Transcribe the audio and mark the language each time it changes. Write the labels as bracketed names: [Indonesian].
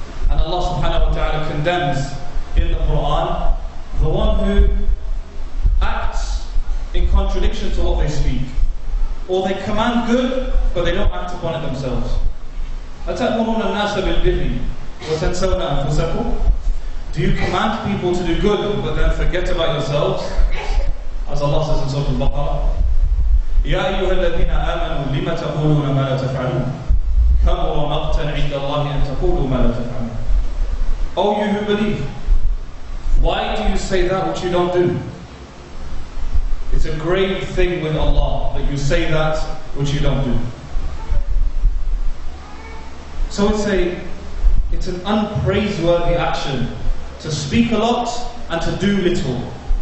[English] And Allah subhanahu wa ta'ala condemns in the Quran the one who acts in contradiction to what they speak. Or they command good, but they don't act upon it themselves. [Arabic] أَتَأْمُرُونَ النَّاسَ بِالْبِرِّ وَتَنْسَوْنَ أَنْفُسَكُمْ. [English] Do you command people to do good, but then forget about yourselves? As Allah says in Surah Al-Baqarah, [Arabic] يَا أَيُّهَا الَّذِينَ آمَنُوا لِمَ تَقُولُونَ مَا لَا تَفْعَلُونَ كَمُرَ مَقْتًا عِنْدَ اللَّهِ أَنْ تَقُولُوا مَا لَا تَفْعَلُونَ. [English] O you who believe, why do you say that which you don't do? It's a great thing with Allah that you say that which you don't do. So it's an unpraiseworthy action to speak a lot and to do little.